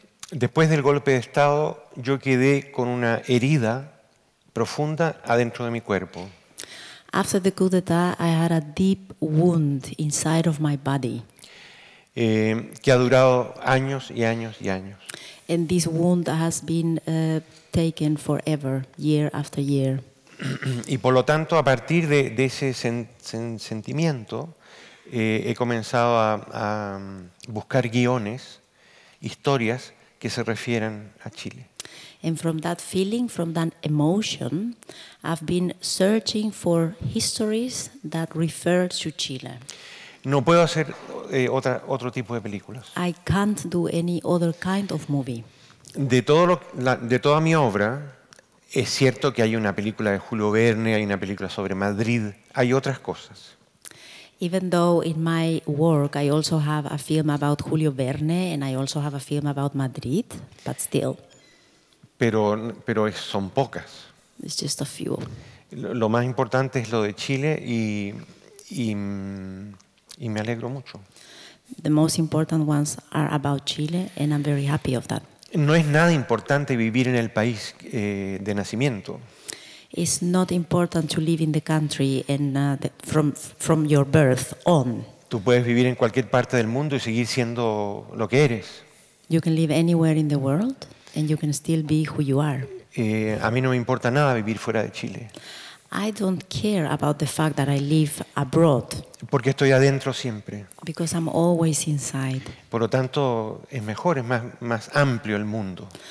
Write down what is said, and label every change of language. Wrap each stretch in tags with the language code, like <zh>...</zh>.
<es>Después del golpe de estado, yo quedé con una herida profunda adentro de mi cuerpo.</es> <en>After the coup d'état, I had a deep wound inside of my body.</en> <es>Que ha durado años y años y años.</es> <en>And this wound has been taken forever, year after year.</en> <es>Y por lo tanto, a partir de ese sentimiento, he comenzado a buscar guiones, historias que se refieran a Chile.</es> <en>And from that feeling, from that emotion, I've been searching for histories that refer to Chile.</en> <es>No puedo hacer otro tipo de películas.</es> <en>I can't do any other kind of movie.</en> <es>De toda mi obra. Es cierto que hay una película de Julio Verne, hay una película sobre Madrid, hay otras cosas.</es> <en>Even though in my work I also have a film about Julio Verne and I also have a film about Madrid, but still.</en> <es>Pero son pocas.</es> <en>It's just a few.</en> <es>Lo más importante es lo de Chile y me alegro mucho.</es> <en>The most important ones are about Chile and I'm very happy of that.</en> <es>No es nada importante vivir en el país de nacimiento.</es> <en>It's not important to live in the country and from your birth on.</en> <es>Tú puedes vivir en cualquier parte del mundo y seguir siendo lo que eres.</es> <en>You can live anywhere in the world and you can still be who you are.</en> <es>A mí no me importa nada vivir fuera de Chile.</es> <en>I don't care about the fact that I live abroad.</en> <es>Porque estoy adentro siempre.</es> <en>Because I'm always inside.</en> <es>Por lo tanto, es mejor, es más amplio el mundo.</es>